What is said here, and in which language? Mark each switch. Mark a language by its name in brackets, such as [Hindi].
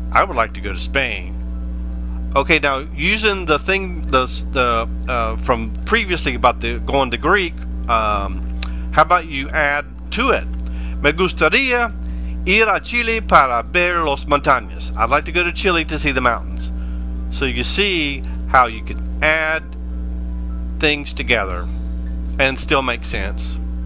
[English] I would like to go to Spain. Okay, now using the thing from previously about the going to Greek, how about you add to it? [Spanish] Me gustaría ir a Chile para ver las montañas. [English] I'd like to go to Chile to see the mountains. So you see how you can add things together and still make sense.